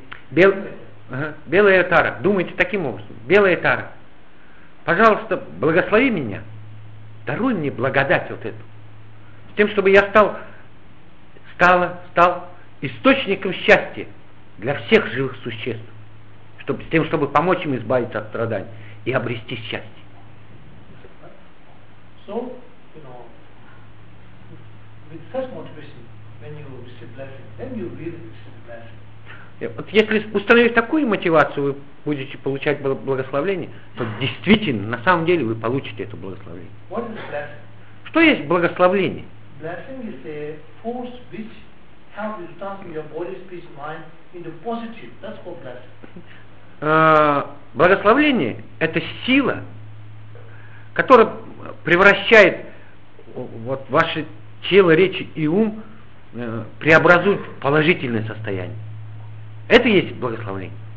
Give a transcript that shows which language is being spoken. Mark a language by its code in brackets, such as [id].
[ru] Белая Тара, думайте таким образом. Белая Тара, пожалуйста, благослови меня, даруй мне благодать вот эту, с тем, чтобы я стал источником счастья для всех живых существ, чтобы, с тем, чтобы помочь им избавиться от страданий и обрести счастье. [en] So, you know, with such motivation, when you receive blessing, then you really receive blessing. [ru] Вот если установить такую мотивацию, вы будете получать благословение, то действительно, на самом деле, вы получите это благословение. [en] What is blessing? [ru] Что есть благословение? [en] Blessing is a force which helps you transform your body, speech, mind into positive. That's called blessing. [ru] Благословение – это сила, которая превращает вот ваше тело, речи и ум, преобразует в положительное состояние. Это есть благословление.